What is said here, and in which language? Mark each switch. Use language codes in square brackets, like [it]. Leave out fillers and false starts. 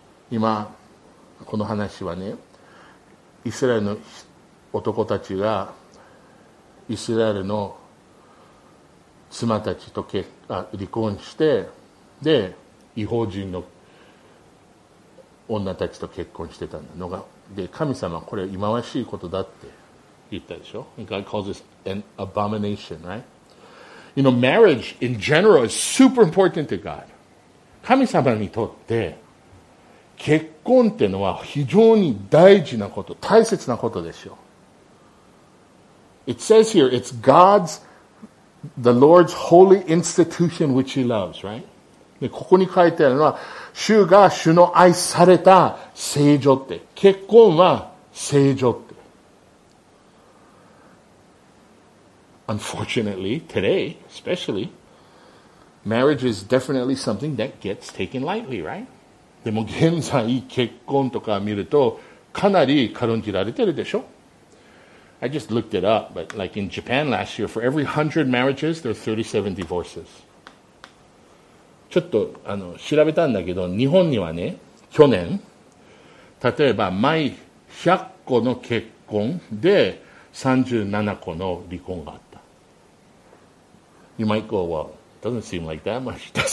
[ja] 今この話はねイスラエルの男たちがイスラエルの妻たちと離婚してで、異邦人の女たちと結婚してたのが、で、神様、これ、忌まわしいことだって言ったでしょ [en] ?God calls this an abomination, right? You know, marriage in general is super important to God. [ja] 神様にとって、結婚ってのは非常に大事なこと、大切なことでしょ [en] ?It says here, it's God's, the Lord's holy institution which he loves, right? [ja] でここに書いてあるのは、主が主の愛された聖女って。結婚は聖女って。 [en] Unfortunately, today, especially, marriage is definitely something that gets taken lightly, right? [ja] でも現在結婚とか見ると、かなり軽んじられてるでしょ [en] ?I just looked it up, but like in Japan last year, for every 100 marriages, there are 37 divorces. [ja] ちょっと調べたんだけど、日本にはね、去年、例えば毎100個の結婚で37個の離婚があった。 [en] You might go, well, it doesn't seem like that much.